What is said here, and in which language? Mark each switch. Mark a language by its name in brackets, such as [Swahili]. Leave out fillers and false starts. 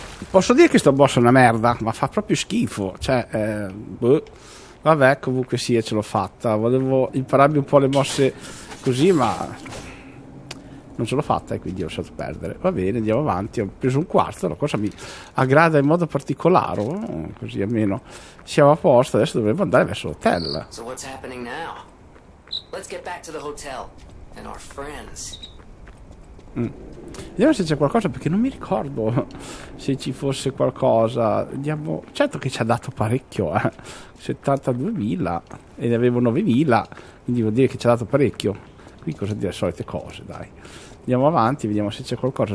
[Italian] posso dire che sto boss è una merda, ma fa proprio schifo. Cioè, vabbè, comunque sì, ce l'ho fatta. Volevo impararmi un po' le mosse così, ma non ce l'ho fatta e quindi ho lasciato perdere. Va bene, andiamo avanti. Ho preso un quarto, la cosa mi aggrada in modo particolare. Così almeno siamo a posto. Adesso dovremmo andare verso l'hotel. [English] So what's happening now? Let's get back to the hotel and our friends. [Italian] Vediamo se c'è qualcosa, perché non mi ricordo se ci fosse qualcosa. Andiamo. Certo che ci ha dato parecchio, 72.000 e ne avevo 9.000, quindi vuol dire che ci ha dato parecchio. Qui cosa dire, solite cose, dai. Andiamo avanti, vediamo se c'è qualcosa.